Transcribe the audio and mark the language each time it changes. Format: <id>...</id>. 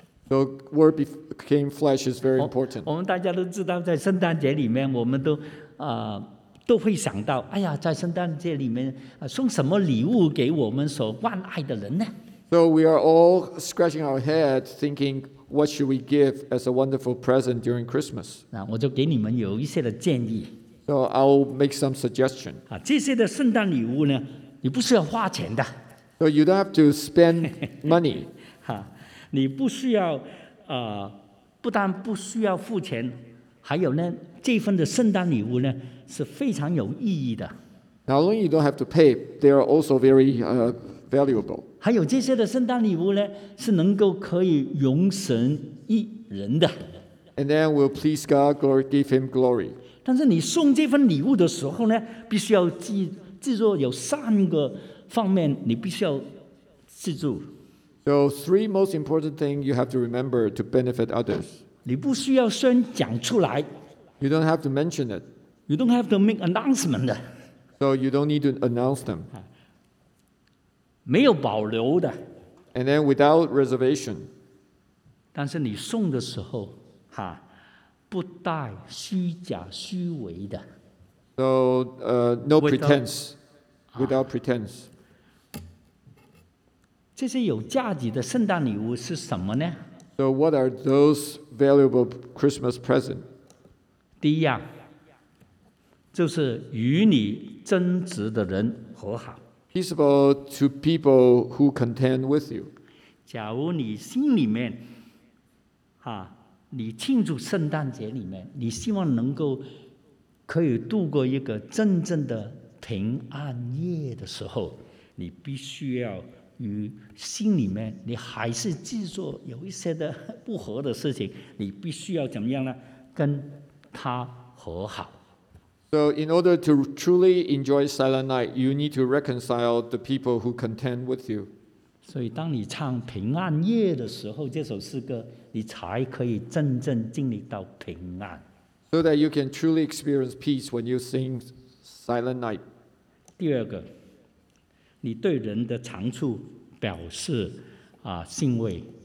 <en>So word became flesh is very important.</en> <zh>我们大家都知道，在圣诞节里面，我们都会想到，哎呀，在圣诞节里面送什么礼物给我们所万爱的人呢？</zh> <en>So we are all scratching our head, thinking, what should we give as a wonderful present during Christmas?</en> <zh>那我就给你们有一些的建议。</zh> <en>So I'll make some suggestion.</en> <zh>这些的圣诞礼物呢，你不需要花钱的。</zh> <en>So you don't have to spend money.</en> <zh>你不需要不但不需要付钱，还有呢，这份的圣诞礼物呢是非常有意义的。</zh> <en>Not only you don't have to pay, they are also very valuable.</en> <zh>还有这些的圣诞礼物呢，是能够可以容神一人的。</zh> <en>And then we'll please God, glory, give Him glory.</en> <zh>但是你送这份礼物的时候呢，必须要记住有三个方面，你必须要记住。</zh> <en>So three most important things you have to remember to benefit others.</en> <zh>你不需要先讲出来。</zh> <en>You don't have to mention it. You don't have to make announcement. So you don't need to announce them.</en> <zh>没有保留的。</zh> <en>And then without reservation.</en> <zh>但是你送的时候，不带虚假虚伪的。</zh> <en>So no pretense. Without pretense.</en> <zh>这些有价值的圣诞礼物是什么呢？</zh> <en>So what are those valuable Christmas presents?</en> <zh>第一样，就是与你争执的人和好。</zh> <en>Peaceable to people who contend with you.</en> <zh>假如你心里面，你庆祝圣诞节里面，你希望能够可以度过一个真正的平安夜的时候，你必须要与心里面你还是记住有一些的不和的事情，你必须要怎么样呢？跟他和好。</zh> <en>So in order to truly enjoy Silent Night, you need to reconcile the people who contend with you.</en> <zh>所以当你唱平安夜的时候，这首诗歌，你才可以真正经历到平安。</zh> <en>So that you can truly experience peace when you sing Silent Night.</en> <zh>第二个，你对人的长处表示欣慰。</zh>